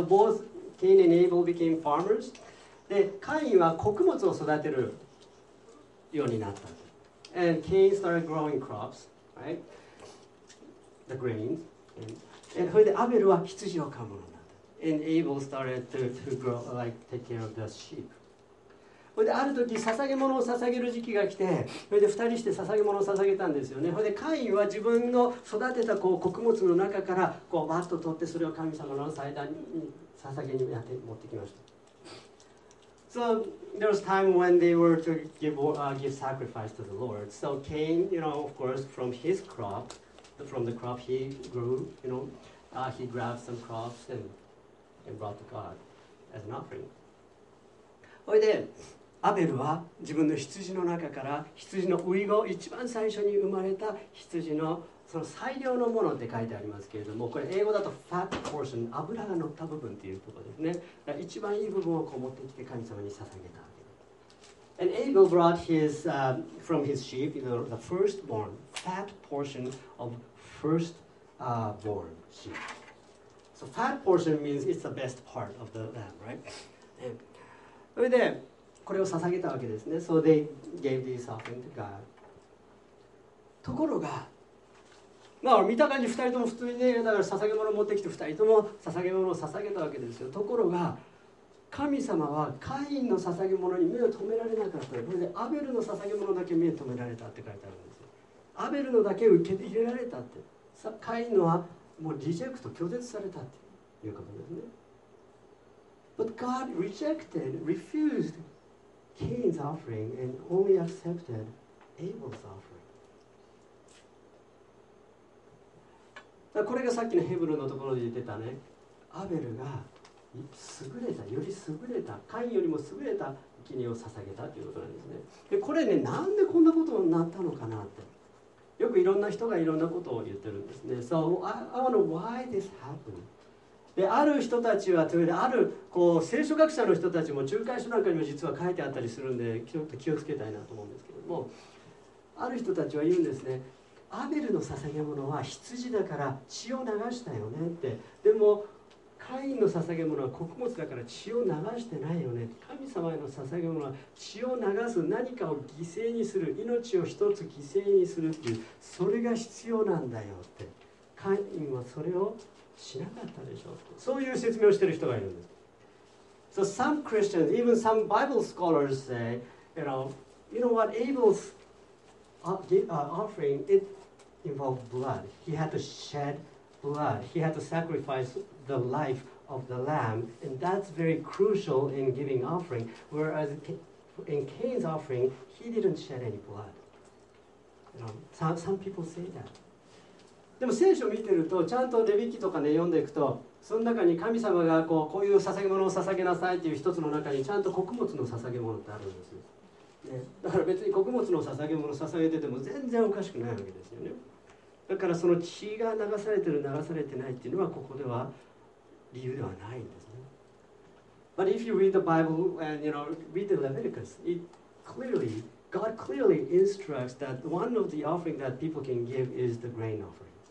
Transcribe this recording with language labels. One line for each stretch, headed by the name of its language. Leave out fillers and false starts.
English: So both Cain and Abel became farmers.
Japanese: で、カインは穀物を育てるようになった。
English: And Cain started growing crops, right? The grains.
Japanese: And それでアベルは羊を飼うものになった。
English: And Abel started to grow, like, take care of the sheep.
Japanese: それである時捧げ物を捧げる時期が来て、それで二人して捧げ物を捧げたんですよね。それでカインは自分の育てたこう穀物の中からこうバッと取って、それを神様の祭壇に捧げにやって持ってきました。
English: So there was time when they were to give sacrifice to the Lord. So Cain, you know, of course, from the crop he grew, you know, he grabbed some crops and brought to God as an offering.
Japanese: それでアベルは自分の羊の中から羊のウイゴ、一番最初に生まれた羊のその最良のものって書いてありますけれども、これ英語だと fat portion、 油が乗った部分っていうところですね。一番いい部分をこう持ってきて神様に捧げた。
English: And Abel brought his from his sheep, you know, the firstborn fat portion of first born sheep. So fat portion means it's the best part of the lamb, right?
Japanese: それでこれを捧げたわけですね。
English: So they gave this offering to God.
Japanese: ところが、まあ見た感じ2人とも普通にね、だから捧げ物を持ってきて2人とも捧げ物を捧げたわけですよ。ところが神様はカインの捧げ物に目を留められなかった。それでアベルの捧げ物だけ目を留められたって書いてあるんですよ。アベルのだけ受け入れられたって、カインのはもうリジェクト、拒絶されたっていうことですね。
English: But God rejected, refused Cain's offering and only accepted Abel's offering.
Japanese: だこれがさっきのヘブルのところで言ってたね。アベルが優れた、より優れた、カインよりも優れた生贄を捧げたということなんですね。で、これね、なんでこんなことになったのかなって。よくいろんな人がいろんなことを言ってるんですね。
English: So I want to know why this happened.
Japanese: で、ある人たちは、あるこう聖書学者の人たちも、仲介書なんかにも実は書いてあったりするんで、ちょっと気をつけたいなと思うんですけども、ある人たちは言うんですね。アベルの捧げ物は羊だから血を流したよねって。でも、カインの捧げ物は穀物だから血を流してないよね。神様への捧げ物は血を流す、何かを犠牲にする、命を一つ犠牲にするっていう、それが必要なんだよって。カインはそれをしなかったでしょう。そういう説明をしている人がいるんです。
English: So some Christians, even some Bible scholars say, you know what, Abel's offering, it involved blood. He had to shed blood. He had to sacrifice the life of the lamb. And that's very crucial in giving offering. Whereas in Cain's offering, he didn't shed any blood. Some people say that.
Japanese: でも聖書を見てると、ちゃんとレビ記とかね、読んでいくと、その中に神様がこういう捧げ物を捧げなさいという一つの中にちゃんと穀物の捧げ物ってあるんですよ、ね、だから別に穀物の捧げ物を捧げてても全然おかしくないわけですよね。だからその血が流されてる流されてないっていうのはここでは理由ではないんですね。
English: But if you read the Bible and you know read the Leviticus, it clearly God clearly instructs that one of the offering that people can give is the grain offering.